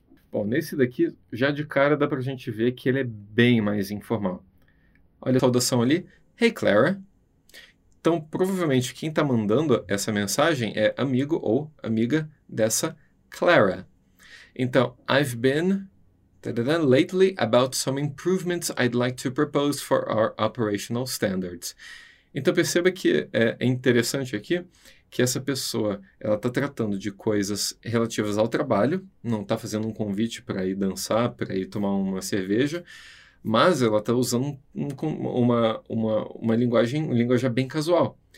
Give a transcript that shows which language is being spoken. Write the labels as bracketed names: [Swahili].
[Portuguese] Bom, nesse daqui, já de cara dá pra gente ver que ele é bem mais informal. Olha a saudação ali. [English] Hey, [Portuguese] Clara. Então, provavelmente quem tá mandando essa mensagem é amigo ou amiga dessa Clara. Então, [English] I've been lately about some improvements I'd like to propose for our operational standards. [Portuguese] Então, perceba que é interessante aqui que essa pessoa ela está tratando de coisas relativas ao trabalho, não está fazendo um convite para ir dançar, para ir tomar uma cerveja, mas ela está usando uma linguagem bem casual.